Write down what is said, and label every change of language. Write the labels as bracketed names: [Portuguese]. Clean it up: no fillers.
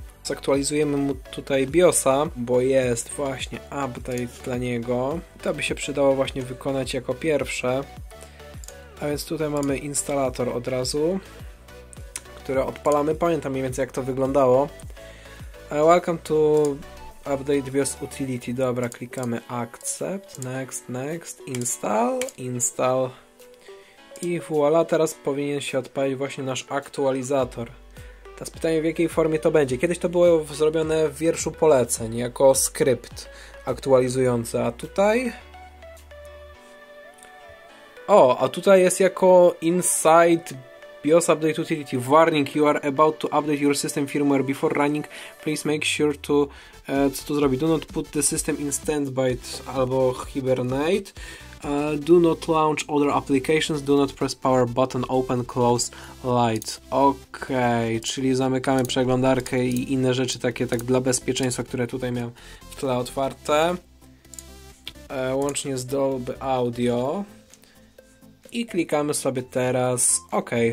[Polish] Zaktualizujemy mu tutaj BIOSa, bo jest właśnie update dla niego. To by się przydało właśnie wykonać jako pierwsze. A więc tutaj mamy instalator od razu, który odpalamy. Pamiętam mniej więcej, jak to wyglądało. [English] Welcome to Update BIOS Utility. [Polish] Dobra, klikamy Accept, Next, Next, Install, Install. I voila, teraz powinien się odpalić właśnie nasz aktualizator. Teraz pytanie, w jakiej formie to będzie. Kiedyś to było zrobione w wierszu poleceń, jako skrypt aktualizujący, a tutaj... O, a tutaj jest jako Inside BIOS Update Utility. [English] Warning, you are about to update your system firmware before running. Please make sure to... [Polish] co tu zrobi? [English] Do not put the system in standby [Polish] albo [English] hibernate. Do not launch other applications. Do not press power button. Open, close, light. [Polish] Okej, okay, czyli zamykamy przeglądarkę i inne rzeczy takie tak dla bezpieczeństwa, które tutaj miałem w tle otwarte. Łącznie z Dolby Audio. I klikamy sobie teraz OK.